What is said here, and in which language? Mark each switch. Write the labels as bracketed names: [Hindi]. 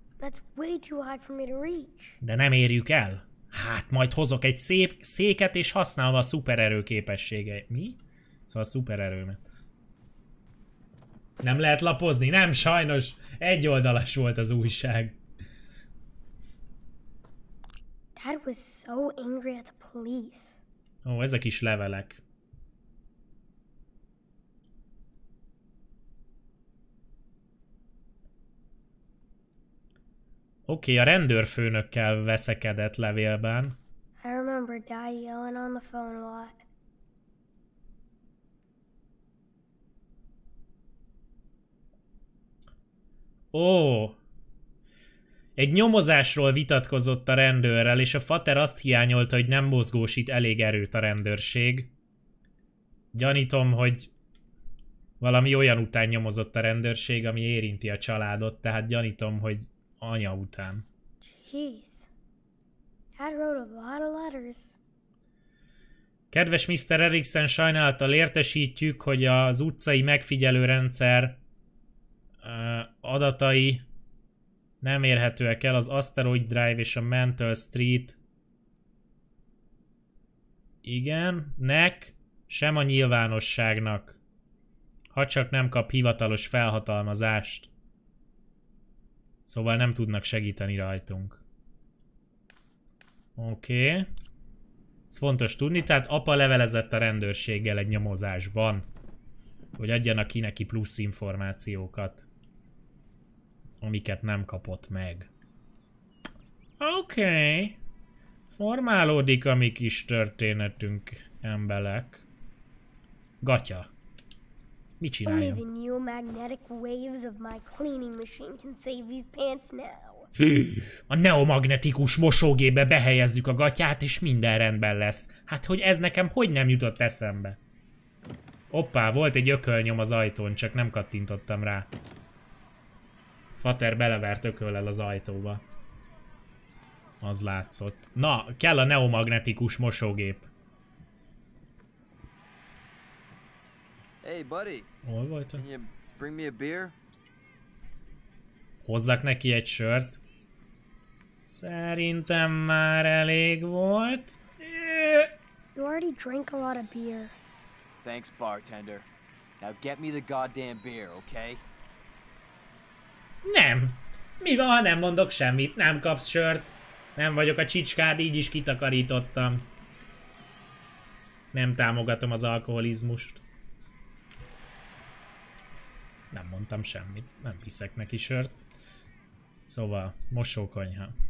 [English] That's way too high for me to reach. [Hungarian] De nem érjük el. Hát, majd hozok egy szép széket, és használom a szupererő képességeit. Mi? Szóval a szupererőmet. Nem lehet lapozni? Nem, sajnos. Egyoldalas volt az újság. [English] Dad was so angry at the police. [Hungarian] Ó, ezek is levelek. Oké, a rendőrfőnökkel veszekedett levélben. [English] I remember Dad yelling on the phone a lot. Ó! [Hungarian] Egy nyomozásról vitatkozott a rendőrrel, és a fater azt hiányolta, hogy nem mozgósít elég erőt a rendőrség. Gyanítom, hogy valami olyan után nyomozott a rendőrség, ami érinti a családot, tehát gyanítom, hogy anya után. [English] Jeez. Dad wrote a lot of letters. [Hungarian] Kedves Mr. Erickson, sajnálattal értesítjük, hogy az utcai megfigyelő rendszer adatai Nem érhetőek el az Asteroid Drive és a Mental Street. Igen, nek, sem a nyilvánosságnak. Ha csak nem kap hivatalos felhatalmazást. Szóval nem tudnak segíteni rajtunk. Oké. Ez fontos tudni, tehát apa levelezett a rendőrséggel egy nyomozásban, hogy adjanak ki neki plusz információkat, amiket nem kapott meg. Oké. Formálódik a mi kis történetünk, emberek. Gatya. Mit csináljunk? [English] Only the new magnetic waves of my cleaning machine can save these pants now. [Hungarian] A neomagnetikus mosógébe behelyezzük a gatyát, és minden rendben lesz. Hát, hogy ez nekem hogy nem jutott eszembe? Hoppá, volt egy ökölnyom az ajtón, csak nem kattintottam rá. Fater belevert ököllel az ajtóba. Az látszott. Na, kell a neomagnetikus mosógép. [English] Hey buddy. [Hungarian] Hol volt? [English] Can you bring me a beer? [Hungarian] Hozzak neki egy sört. Szerintem már elég volt. [English] You already drank a lot of beer. Thanks, bartender. Now get me the goddamn beer, okay? [Hungarian] Nem. Mi van, ha nem mondok semmit? Nem kapsz sört. Nem vagyok a csicskád, így is kitakarítottam. Nem támogatom az alkoholizmust. Nem mondtam semmit. Nem viszek neki sört. Szóval, mosókonyha.